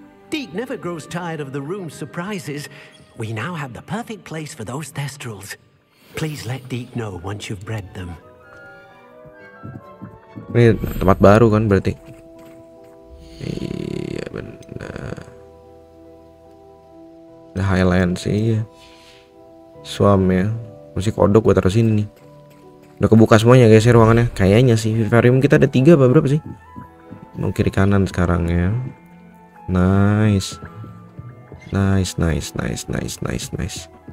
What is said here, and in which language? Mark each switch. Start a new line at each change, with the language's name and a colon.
English: Deke never grows tired of the room's surprises. We now have the perfect place for those thestrals. Please let Deke know once you've bred them.
Indonesian: Ini tempat baru kan berarti. Iya benar. The Highlands iya. Swam ya. Masih kodok gue taruh sini nih. Udah kebuka semuanya guys ya ruangannya. Kayaknya sih vivarium kita ada 3 apa berapa sih? Mau kiri kanan sekarang ya. Nice.
English: Nice, nice, nice, nice, nice, nice.